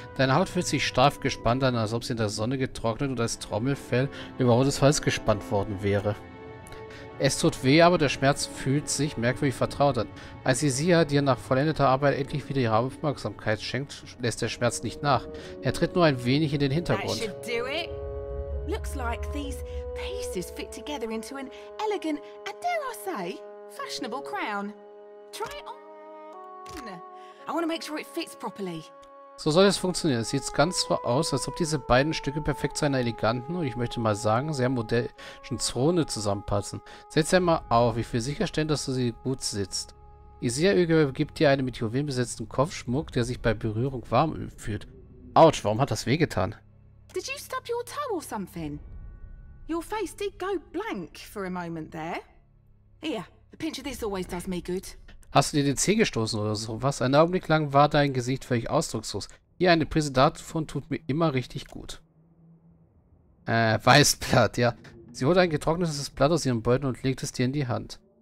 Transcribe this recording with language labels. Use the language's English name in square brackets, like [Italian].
[German] Deine Haut fühlt sich straff gespannt an, als ob sie in der Sonne getrocknet oder als Trommelfell über rotes Holz gespannt worden wäre. Es tut weh, aber der Schmerz fühlt sich merkwürdig vertraut an. Als Isia dir nach vollendeter Arbeit endlich wieder ihre Aufmerksamkeit schenkt, lässt der Schmerz nicht nach. Er tritt nur ein wenig in den Hintergrund. [English] Looks like these pieces fit together into an elegant and dare I say fashionable crown. Try it on. I want to make sure it fits properly. [German] So soll es funktionieren. Es sieht ganz so aus, als ob diese beiden Stücke perfekt zu einer eleganten und ich möchte mal sagen, sehr modernen Throne zusammenpassen. Setz sie mal auf. Ich will sicherstellen, dass du sie gut sitzt. Isia-Öge gibt dir einen mit Juwelen besetzten Kopfschmuck, der sich bei Berührung warm fühlt. Autsch, warum hat das wehgetan? [English] Did you stub your toe or something? Your face did go blank for a moment there. Here, a pinch of this always does me good. [German] Hast du dir den Zeh gestoßen oder sowas? Ein Augenblick lang war dein Gesicht völlig ausdruckslos. Hier, eine Prise davon tut mir immer richtig gut. Weißblatt, ja. Sie holt ein getrocknetes Blatt aus ihrem Beutel und legt es dir in die Hand.